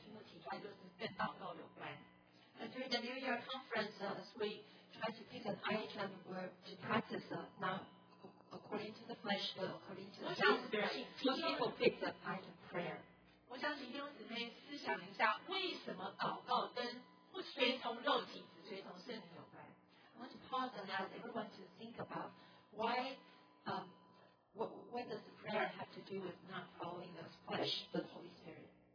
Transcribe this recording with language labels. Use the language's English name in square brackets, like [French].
[Chinese] 那我们在今年的教会里面，我们特别讲到，今年要操练不随从肉体，只随从圣灵。那最多的一个题目，就各个小组里面最多的一个题目提出来，就是跟祷告有关。 [English] During the New Year conference, as we try to pick an item, we're to practice not according to the flesh, but according to the spirit. Most people pick the item prayer. [Chinese] 我想请弟兄姊妹思想一下，为什么祷告跟不随从肉体，只随从圣灵有关？ [English] I want to pause and ask everyone to think about why, what does the prayer have to do with not following the flesh, but the Holy Spirit?